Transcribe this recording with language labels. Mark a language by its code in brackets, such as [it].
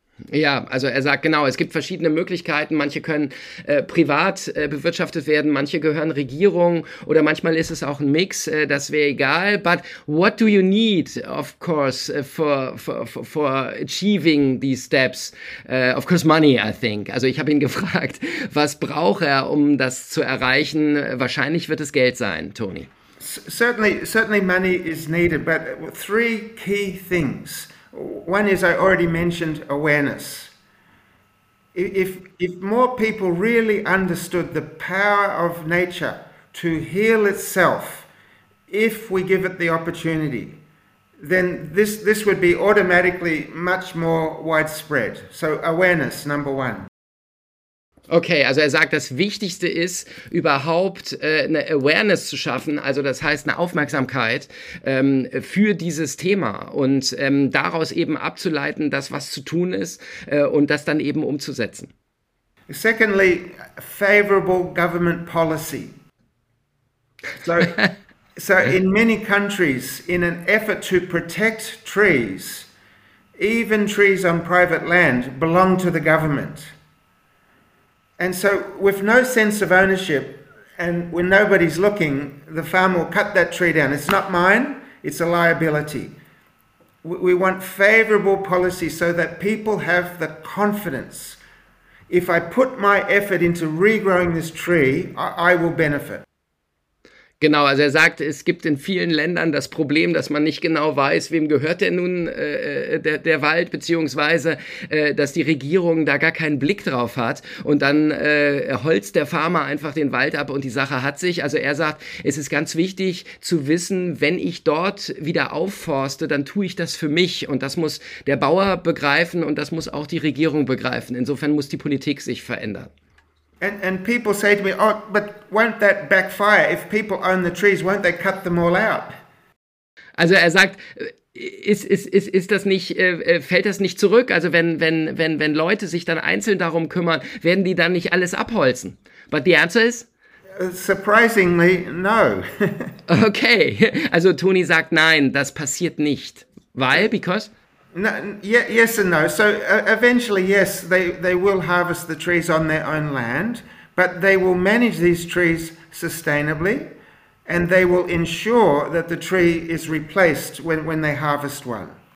[de] Ja, also er sagt, genau, es gibt verschiedene Möglichkeiten. Manche können privat bewirtschaftet werden, manche gehören Regierungen oder manchmal ist es auch ein Mix, das wäre egal. [en] But what do you need, of course, for achieving these steps? Of course, money, I think. [de] Also ich habe ihn gefragt, was braucht er, um das zu erreichen? Wahrscheinlich wird es Geld sein, Tony. [en] Certainly money is needed, but three key things. One is, I already mentioned, awareness. If more people really understood the power of nature to heal itself, if we give it the opportunity, then this would be automatically much more widespread. So awareness, number one. [de] Okay, also er sagt, das Wichtigste ist, überhaupt eine Awareness zu schaffen, also das heißt eine Aufmerksamkeit für dieses Thema und daraus eben abzuleiten, dass was zu tun ist und das dann eben umzusetzen. [en] Secondly, favorable government policy. So in many countries, in an effort to protect trees, even trees on private land belong to the government. And so with no sense of ownership and when nobody's looking, the farmer will cut that tree down. It's not mine, it's a liability. We want favorable policy so that people have the confidence. If I put my effort into regrowing this tree, I will benefit. [de] Genau, also er sagt, es gibt in vielen Ländern das Problem, dass man nicht genau weiß, wem gehört denn nun der Wald, beziehungsweise dass die Regierung da gar keinen Blick drauf hat und dann holzt der Farmer einfach den Wald ab und die Sache hat sich. Also er sagt, es ist ganz wichtig zu wissen, wenn ich dort wieder aufforste, dann tue ich das für mich und das muss der Bauer begreifen und das muss auch die Regierung begreifen. Insofern muss die Politik sich verändern. [en] And people say to me, oh, but won't that backfire? If people own the trees, won't they cut them all out? [de] Also er sagt, ist das nicht, fällt das nicht zurück? Also wenn Leute sich dann einzeln darum kümmern, werden die dann nicht alles abholzen? [en] But the answer is? Surprisingly, no. [de] Okay, also Tony sagt, nein, das passiert nicht. [en] Why? Because? No, yes and no. So eventually, yes, they will harvest the trees on their own land, but they will manage these trees sustainably and they will ensure that the tree is replaced when they harvest one.